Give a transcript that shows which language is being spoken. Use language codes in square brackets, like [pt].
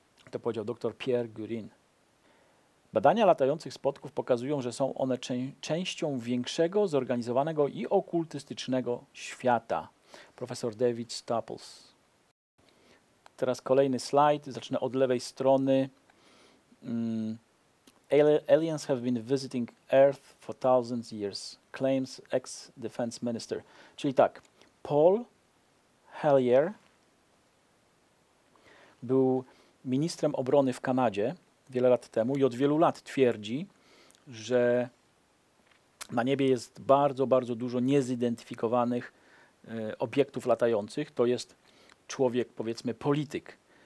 [pl] To powiedział dr Pierre Gurin. Badania latających spotków pokazują, że są one częścią większego, zorganizowanego i okultystycznego świata. Profesor David Staples. Teraz kolejny slajd, zacznę od lewej strony. [en] Aliens have been visiting Earth for thousands of years, claims ex-defense minister. [pl] Czyli tak, Paul Hellyer był ministrem obrony w Kanadzie wiele lat temu i od wielu lat twierdzi, że na niebie jest bardzo, bardzo dużo niezidentyfikowanych obiektów latających, to jest człowiek, powiedzmy, polityk.